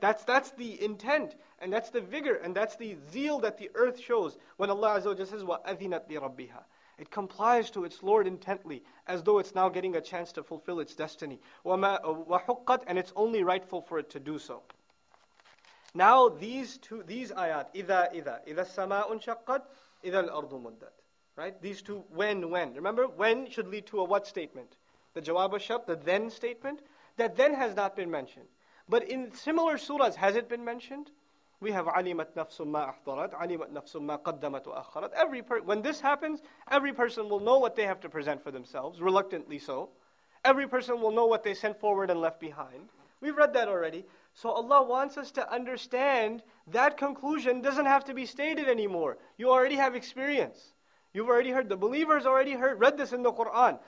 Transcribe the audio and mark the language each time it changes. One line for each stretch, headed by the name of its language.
English: That's the intent, and that's the vigor, and that's the zeal that the earth shows when Allah Azza wa Jalla says,
Arabic: وَأَذِنَتْ لِرَبِّهَا.
English: It complies to its Lord intently, as though it's now getting a chance to fulfill its destiny. وَحُقَّتْ, and it's only rightful for it to do so. Now these ayat,
Arabic: إِذَا السَّمَاءُ انشَقَّتْ, إِذَا الْأَرْضُ مُدَّتْ.
English: Right? These two, when. Remember, when should lead to a what statement? The jawab al-shart, the then statement. That then has not been mentioned. But in similar surahs, has it been mentioned?
Arabic: We have عَلِمَتْ نَفْسٌ مَا أَحْضَرَتْ, عَلِمَتْ نَفْسٌ مَا قَدَّمَتْ وَأَخَّرَتْ.
English: When this happens, every person will know what they have to present for themselves, reluctantly so. Every person will know what they sent forward and left behind. We've read that already. So Allah wants us to understand that conclusion doesn't have to be stated anymore. You already have experience. You've already heard, the believers already heard, read this in the Quran.